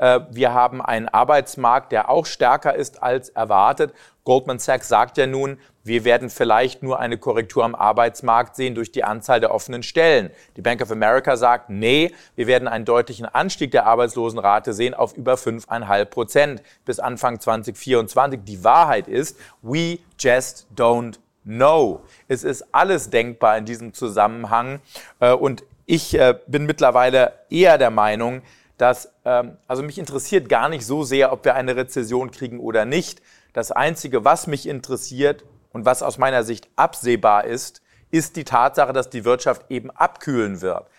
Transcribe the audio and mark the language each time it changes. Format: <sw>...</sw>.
<de>Wir haben einen Arbeitsmarkt, der auch stärker ist als erwartet. Goldman Sachs sagt ja nun, wir werden vielleicht nur eine Korrektur am Arbeitsmarkt sehen durch die Anzahl der offenen Stellen. Die Bank of America sagt, nee, wir werden einen deutlichen Anstieg der Arbeitslosenrate sehen auf über 5,5% bis Anfang 2024. Die Wahrheit ist,</de> <en>we just don't know.</en> <de>Es ist alles denkbar in diesem Zusammenhang. Und ich bin mittlerweile eher der Meinung, dass, also mich interessiert gar nicht so sehr, ob wir eine Rezession kriegen oder nicht. Das Einzige, was mich interessiert und was aus meiner Sicht absehbar ist, ist die Tatsache, dass die Wirtschaft eben abkühlen wird.</de>